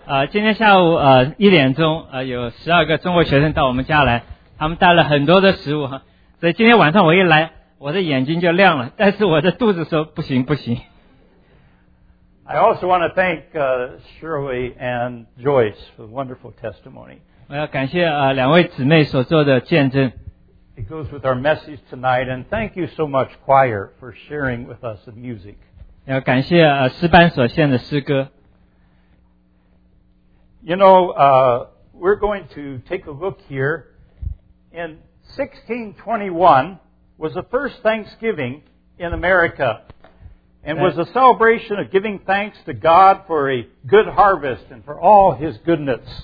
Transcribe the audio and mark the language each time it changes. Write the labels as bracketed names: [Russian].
[Chinese] 今天下午一点钟有12个中国学生到我们家来，他们带了很多的食物，所以今天晚上我一来我的眼睛就亮了，但是我的肚子说不行不行。 [English] I also want to thank Shirley and Joyce for the wonderful testimony. [Chinese] 我要感谢, 两位姊妹所做的见证。 [English] It goes with our message tonight, and thank you so much, choir, for sharing with us the music. [Chinese] 要感谢, 诗班所献的诗歌。 [English] You know, we're going to take a look here. In 1621 was the first Thanksgiving in America, and was a celebration of giving thanks to God for a good harvest and for all His goodness.